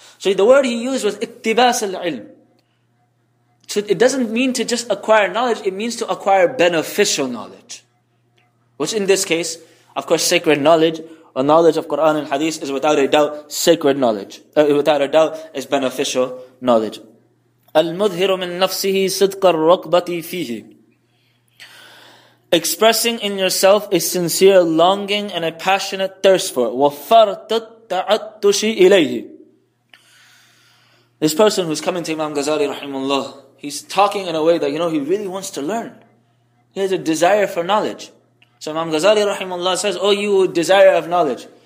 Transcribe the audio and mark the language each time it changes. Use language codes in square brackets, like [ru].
[en] So the word he used was [ar] اقتباس العلم. [en] So it doesn't mean to just acquire knowledge, it means to acquire beneficial knowledge. Which in this case, of course, sacred knowledge or knowledge of Quran and Hadith is without a doubt sacred knowledge. Without a doubt is beneficial knowledge. [ar] المظهر من نفسه صدق الرغبة فيه. [en] Expressing in yourself a sincere longing and a passionate thirst for it. [ar] وَفَرْتُ التَّعَتُّشِ إِلَيْهِ. [en] This person who's coming to Imam Ghazali rahimullah, he's talking in a way that, you know, he really wants to learn. He has a desire for knowledge. So Imam Ghazali rahimullah says, oh, you desire of knowledge.